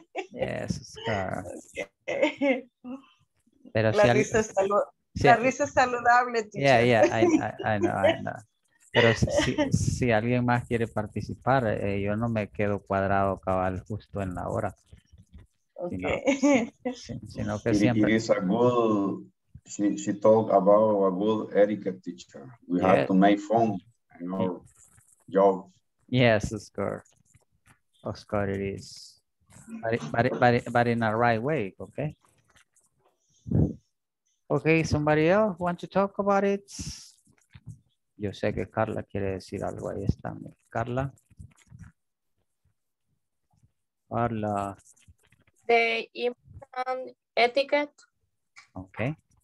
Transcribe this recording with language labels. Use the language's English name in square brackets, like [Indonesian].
[English] Yes, it's okay. [Spanish] Pero la risa es saludable, teacher. [English] Yeah, I know. [Spanish] Pero si alguien más quiere participar, yo no me quedo cuadrado cabal justo en la hora. [English] Okay. [Spanish] Sino que siempre. [English] She talked about a good etiquette teacher. We have to make fun in our job. Yes, Oscar. Oscar, it is. But in a right way, okay? Okay, somebody else want to talk about it? [Spanish] Yo sé que Carla quiere decir algo ahí está. Carla. Carla. [English] The implant etiquette. Okay.